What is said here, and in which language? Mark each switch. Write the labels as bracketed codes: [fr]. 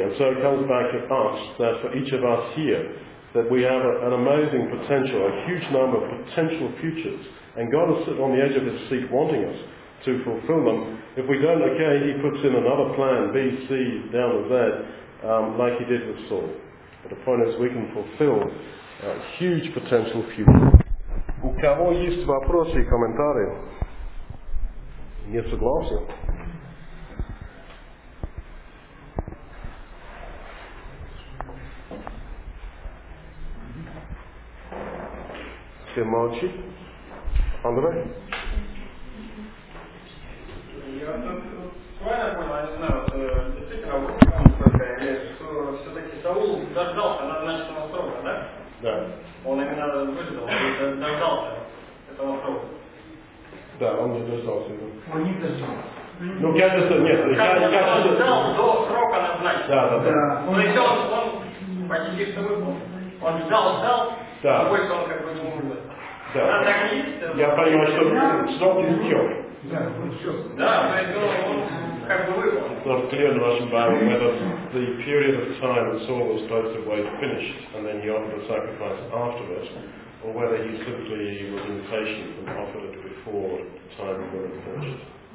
[en] And so it comes back to us, that for each of us here, that we have an amazing potential, a huge number of potential futures. And God is sitting on the edge of his seat wanting us to fulfill them. If we don't, okay, he puts in another plan, B, C, down to Z, like he did with Saul. But the point is, we can fulfill a huge potential future. [ru] У кого есть вопросы и комментарии? Не согласен? Все молчат? Андрей? Я так правильно понял, я не знаю, действительно, вот там такая вещь, что все-таки Саул дождался назначенного срока, да? Да. Он именно выждал, дождался этого срока. Да, он не дождался. Да. Он не дождался. Ну, кажется, нет. Он ждал до срока назначенного. Да, да, да. Но еще он почти что выполнил. Он ждал. Да. Но больше он как бы не умер. Да. Она так и есть. Я понимаю, что срок истек. Да, он да, поэтому он как бы выполнил. Это [en] clear in the Russian Bible, the period of time that Saul was supposed to wait finished and then he offered a sacrifice after it, or whether he simply was impatient and offered it before the time when it finished.